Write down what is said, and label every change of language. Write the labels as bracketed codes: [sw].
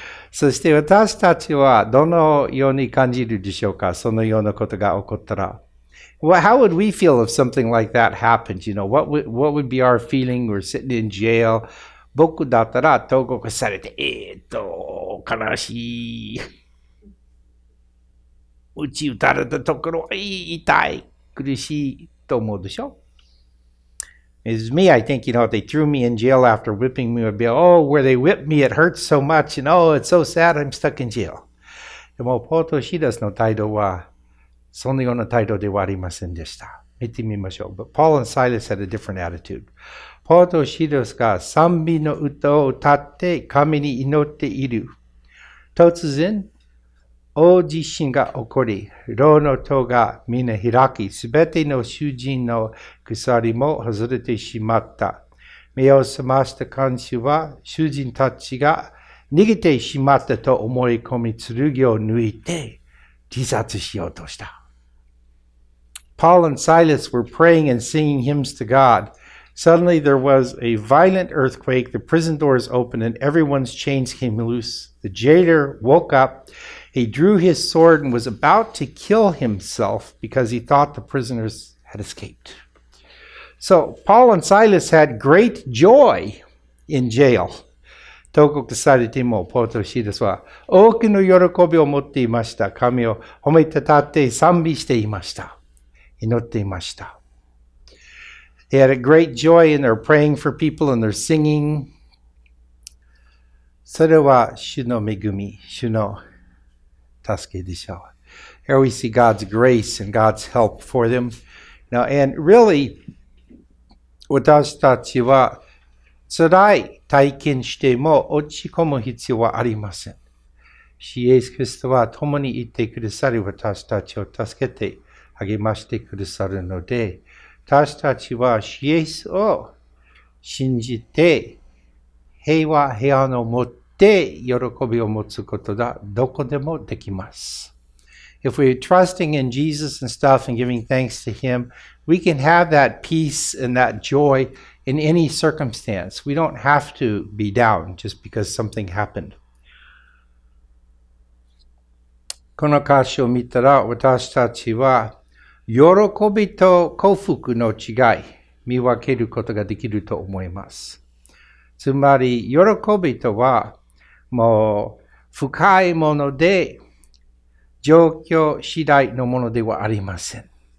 [ja] そして私たちはどのように感じるでしょうか？そのようなことが起こったら。 [en] Well, how would we feel if something like that happened? You know, what would be our feeling? We're sitting in jail. [ja] 僕だったら投獄されて、悲しい。鞭打たれたところ、痛い。苦しいと思うでしょ？ [en] It's me, I think, you know, they threw me in jail after whipping me. Would be, oh, where they whipped me, it hurts so much, and oh, it's so sad, I'm stuck in jail. [ja] でも、ポート・シダスの態度は、そのような態度ではありませんでした。見てみましょう。But [en] Paul and Silas had a different attitude. [ja] ポート・シダスが賛美の歌を歌って、神に祈っている。突然、大地震が起こり、牢の戸が皆開き、すべての囚人の鎖も外れてしまった。目を覚ました看守は、囚人たちが逃げてしまったと思い込み、剣を抜いて自殺しようとした。 [en] Paul and Silas were praying and singing hymns to God. Suddenly there was a violent earthquake, the prison doors opened and everyone's chains came loose. The jailer woke up. He drew his sword and was about to kill himself because he thought the prisoners had escaped. So, Paul and Silas had great joy in jail. [ja] 投獄されてもポート・シダスは多くの喜びを持っていました。神を褒めたたって賛美していました。祈っていました。 [en] They had a great joy in their praying for people and their singing. [ja] それは主の恵み、主の助けでしょう。 [en] Here we see God's grace and God's help for them. Now, and really, [ja] 私たちは辛い体験しても落ち込む必要はありません。主イエス・キリストは共にいてくださり、私たちを助けて励ましてくださるので、私たちは主イエスを信じて平和、平安を持って、で喜びを持つことがどこでもできます。 [en] If we're trusting in Jesus and stuff and giving thanks to Him, we can have that peace and that joy in any circumstance. We don't have to be down just because something happened. [ja] この箇所を見たら私たちは喜びと幸福の違い見分けることができると思います。つまり喜びとはもう深いもので状況次第のものではありません。